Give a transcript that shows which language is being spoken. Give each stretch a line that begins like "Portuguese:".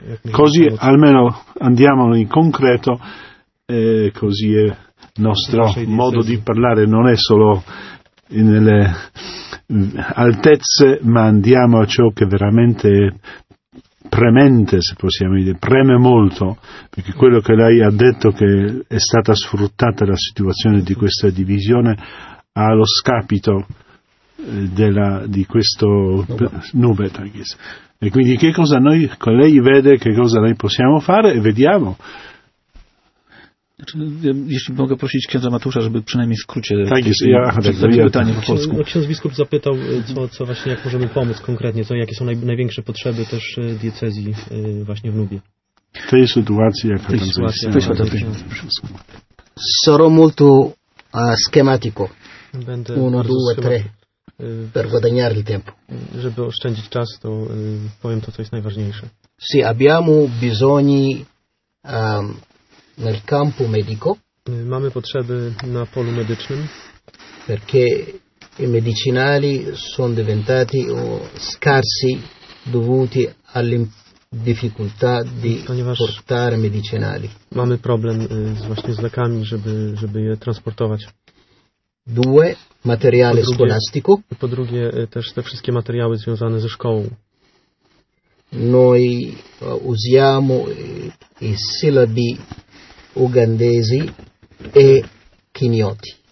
Italian: Così almeno andiamo in concreto, così è il nostro modo di parlare, non è solo nelle altezze, ma andiamo a ciò che veramente è premente, se possiamo dire, preme molto, perché quello che lei ha detto, che è stata sfruttata la situazione di questa divisione allo scapito di questo nube della Chiesa. E quindi che cosa noi con lei vede, che cosa noi possiamo fare e vediamo.
Polish: Jeśli mogę prosić księdza Matusza, żeby przynajmniej w skrócie przedstawić pytanie po polsku. Ksiądz biskup zapytał, co właśnie, jak możemy pomóc konkretnie, jakie są największe potrzeby też diecezji właśnie w Nubie. W tej sytuacji, jaka tam jest.
Italian: Sarò molto schematico. Uno, due, tre. Per guadagnare il tempo.
Polish: Żeby oszczędzić czas, to powiem to, co jest najważniejsze.
Italian: Sì, abbiamo bisogno nel campo medico.
Polish: Mamy potrzeby na polu medycznym.
Italian: Perché i medicinali sono diventati scarsi dovuti alle difficoltà di portare medicinali.
Polish: Mamy problem właśnie z lekami, żeby je transportować.
Italian: Due, materiale scolastico.
Polish: Po drugie, też te wszystkie materiały związane ze szkołą.
Italian: Noi usiamo i syllabi ugandesi e kinioti.